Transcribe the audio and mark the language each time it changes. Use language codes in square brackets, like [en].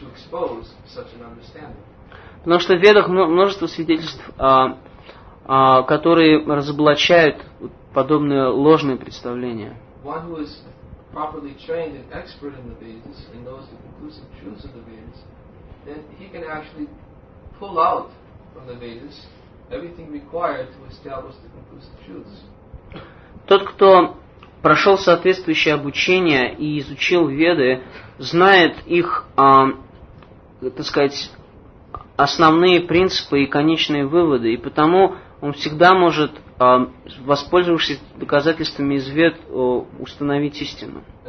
[ru] Потому что в Ведах множество свидетельств, которые разоблачают подобные ложные представления. [en] One who is properly trained and expert in the Vedas and knows the conclusive truths of the Vedas, then he can actually pull out from the Vedas everything required to establish the conclusive truths. [ru] Тот, кто прошел соответствующее обучение и изучил Веды, знает их, так сказать, основные принципы и конечные выводы, и потому он всегда может, воспользовавшись доказательствами из Вед, установить истину.